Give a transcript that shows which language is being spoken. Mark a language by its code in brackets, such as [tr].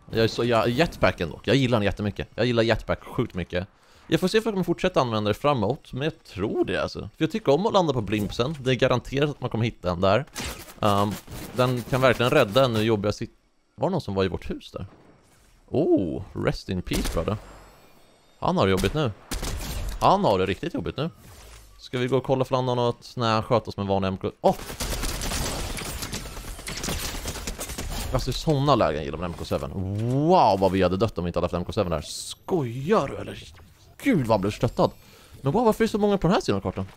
[sv] Jag är så, jag, jetpacken dock. Jag gillar den jättemycket. Jag gillar jetpack sjukt mycket. Jag får se om jag kommer fortsätta använda det framåt, men jag tror det alltså. För jag tycker om att landa på blimpsen, det är garanterat att man kommer hitta den där. Den kan verkligen rädda en hur jobbiga sitt... Var någon som var i vårt hus där? [en] Oh, rest in peace, brother. [sv] Han har det jobbigt nu. Han har det riktigt jobbigt nu. Ska vi gå och kolla för landa något? Nej, han sköt oss med vanlig MK... Åh! Oh! Alltså i sådana lägen gillar man MK7. Wow, vad vi hade dött om vi inte hade haft MK7 där. Skojar du eller... Gud vad han blev stöttad. Men wow, varför är det så många på den här sidan av kartan?